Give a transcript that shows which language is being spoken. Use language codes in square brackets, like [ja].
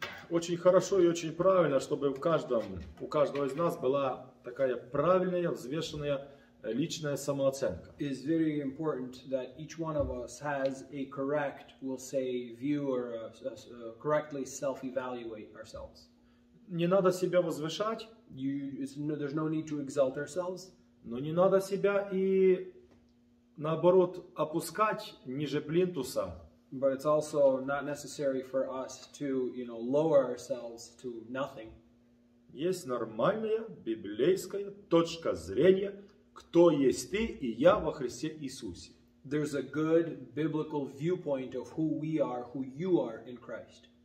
[ru] Очень хорошо и очень правильно, чтобы у каждого из нас была такая правильная, взвешенная личная самооценка. [en] It's very important that each one of us has a correct, we'll say, view or correctly self-evaluate ourselves. [ru] Не надо себя возвышать. [en] There's no need to exalt ourselves. [ru] Но не надо себя и наоборот опускать ниже плинтуса. [en] But it's also not necessary for us to, you know, lower ourselves to nothing. [ru] Есть нормальная библейская точка зрения, кто есть ты и я во Христе Иисусе. [en] There's a good biblical viewpoint of who we are, who you are in Christ.